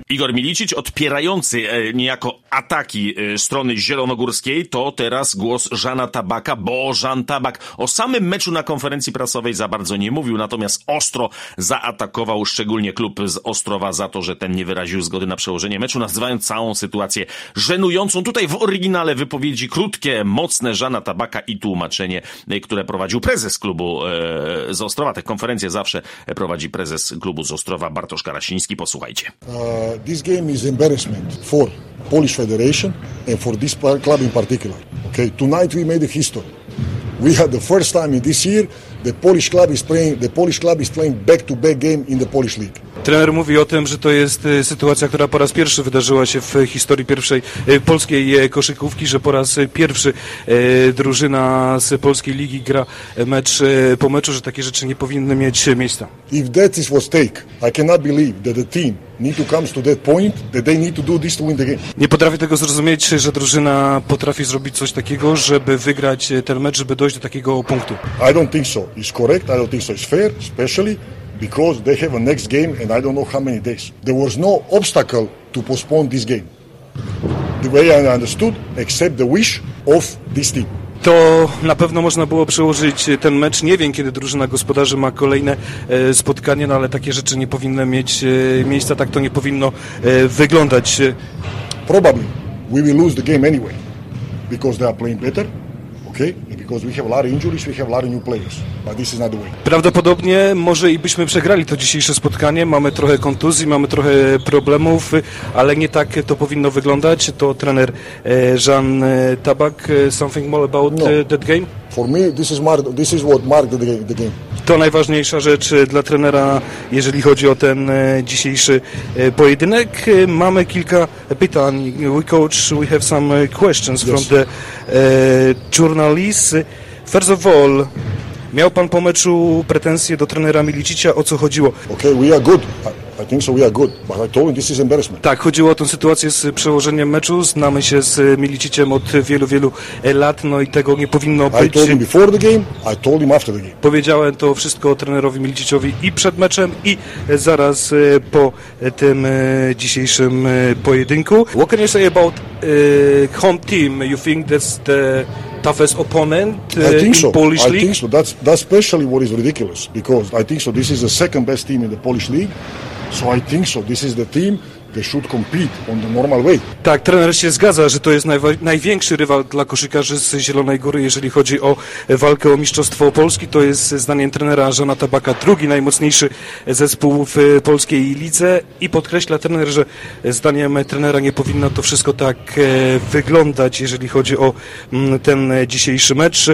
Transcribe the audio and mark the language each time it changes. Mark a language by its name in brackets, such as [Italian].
[Polish] Igor Milicic, odpierający niejako ataki strony zielonogórskiej, to teraz głos Żana Tabaka, bo Żan Tabak o samym meczu na konferencji prasowej za bardzo nie mówił, natomiast ostro zaatakował szczególnie klub z Ostrowa za to, że ten nie wyraził zgody na przełożenie meczu, nazywając całą sytuację żenującą. Tutaj w oryginale wypowiedzi krótkie, mocne Żana Tabaka i tłumaczenie, które prowadził prezes klubu z Ostrowa. Te konferencje zawsze prowadzi prezes klubu z Ostrowa, Bartosz Karasiński. Posłuchajcie. [English] This game is embarrassment for Polish Federation and for this club in particular. Okay, tonight we made a history. We had the first time in this year the Polish club is playing back-to-back game in the Polish League. [Polish] Trener mówi o tym, że to jest sytuacja, która po raz pierwszy wydarzyła się w historii pierwszej polskiej koszykówki, że po raz pierwszy drużyna z polskiej ligi gra mecz po meczu, że takie rzeczy nie powinny mieć miejsca. [English] If that is what take, I cannot believe that the team need to come to that point that they need to do this to win the game. [Polish] Nie potrafię tego zrozumieć, że drużyna potrafi zrobić coś takiego, żeby wygrać ten mecz, żeby dojść do takiego punktu. [English] I don't think so. It's correct. I don't think so. It's fair, especially because they have a next game and I don't know how many days. There was no obstacle to postpone this game. The way I understood, except the wish of this team. [Polish] To na pewno można było przełożyć ten mecz. Nie wiem, kiedy drużyna gospodarzy ma kolejne spotkanie, no ale takie rzeczy nie powinny mieć miejsca. Tak to nie powinno wyglądać. [English] Probably we will lose the game anyway because they are playing better. Okay? Because we have a lot of injuries, we have a lot of new players, but this is not the way. [Polish] Prawdopodobnie może i byśmy przegrali to dzisiejsze spotkanie. Mamy trochę kontuzji, mamy trochę problemów, ale nie tak to powinno wyglądać. To trener Jean Tabak. [English] Something more about that game? For me, this is what marked the game. [Polish] To najważniejsza rzecz dla trenera, jeżeli chodzi o ten dzisiejszy pojedynek. Mamy kilka pytań. [English] We coach, we have some questions from the journalists. [Polish] First of all, miał pan po meczu pretensje do trenera Milicicia, o co chodziło? [English] Okay, we are good. I think so, we are good, but I told him this is embarrassment. [Polish] Tak, chodziło o tę sytuację z przełożeniem meczu. Znamy się z Miliciciem od wielu, wielu lat, no i tego nie powinno być. [English] I told him before the game, I told him after the game. [Polish] Powiedziałem to wszystko trenerowi Miliciciowi i przed meczem, i zaraz po tym dzisiejszym pojedynku. [English] What can you say about home team? You think that's the toughest opponent in Polish league? I think so. That's especially what is ridiculous, because I think so, this is the second best team in the Polish league. So I think so. This is the team that should compete on the normal way. [Polish] Tak, trener się zgadza, że to jest największy rywal dla koszykarzy z Zielonej Góry, jeżeli chodzi o walkę o Mistrzostwo Polski. To jest, zdaniem trenera Żana Tabaka, drugi najmocniejszy zespół w polskiej lidze. I podkreśla trener, że zdaniem trenera nie powinno to wszystko tak wyglądać, jeżeli chodzi o ten dzisiejszy mecz.